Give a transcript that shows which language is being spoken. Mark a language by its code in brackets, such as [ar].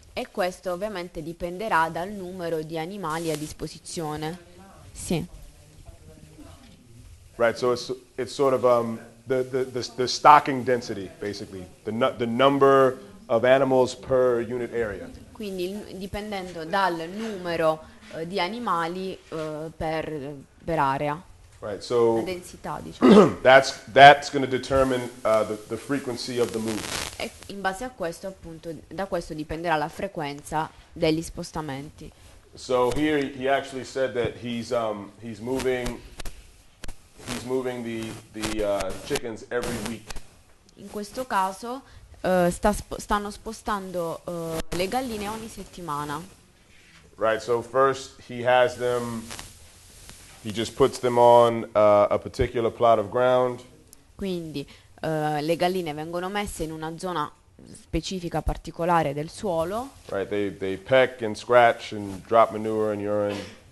[it] E questo ovviamente dipenderà dal numero di animali a disposizione. Sì. [en] Right, so it's sort of the stocking density, basically the number of animals per unit area. [it] Quindi dipendendo dal numero di animali per area. [en] Right, so [it] la densità, diciamo. [en] that's going to determine the frequency of the move. [it] E in base a questo, appunto, da questo dipenderà la frequenza degli spostamenti. [en] So here he actually said that he's moving the chickens every week. [it] In questo caso stanno spostando le galline ogni settimana. [en] Right, so first he has them, he just puts them on a particular plot of ground. [it] Quindi le galline vengono messe in una zona specifica particolare del suolo. [en] Right, they peck and scratch and drop manure and urine.